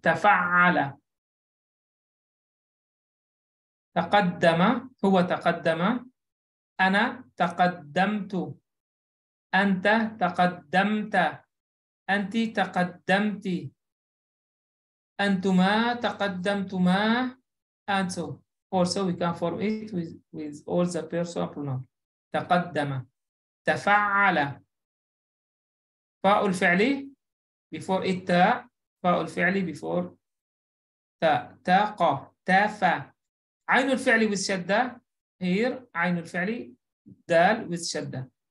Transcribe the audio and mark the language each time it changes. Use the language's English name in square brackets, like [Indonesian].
[Arabic] تفعل، تقدم، هو تقدم، أنا تقدمت، أنت تقدمت، أنت تقدمت، أنتما تقدمتما، [English] and so. Also we can form it with all the personal pronoun. [Arabic] تقدم، تفعل، فاء الفعل [English] before [Arabic] التاء، فاء الفعل before تاء، تاق، تافى. عين الفعل [English] with [Arabic] شدة، [English] here [Arabic] عين الفعل دال with شدة.